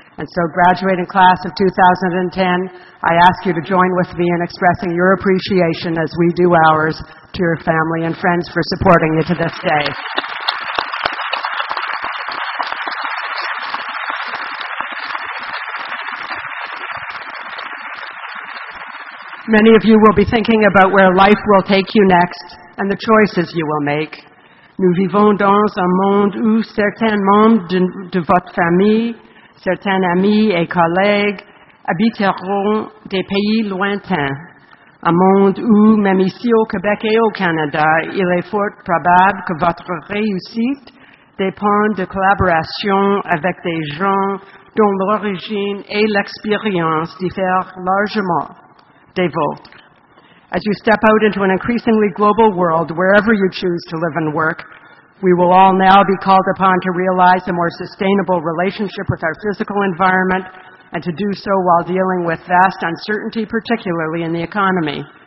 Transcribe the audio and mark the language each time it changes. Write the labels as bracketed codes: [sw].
[en] And so, graduating class of 2010, I ask you to join with me in expressing your appreciation, as we do ours, to your family and friends for supporting you to this day. Many of you will be thinking about where life will take you next and the choices you will make. [fr] Nous vivons dans un monde où certains membres de votre famille, certains amis et collègues habiteront des pays lointains. Un monde où, même ici au Québec et au Canada, il est fort probable que votre réussite dépende de collaboration avec des gens dont l'origine et l'expérience diffèrent largement des vôtres. [en] As you step out into an increasingly global world, wherever you choose to live and work, we will all now be called upon to realize a more sustainable relationship with our physical environment and to do so while dealing with vast uncertainty, particularly in the economy.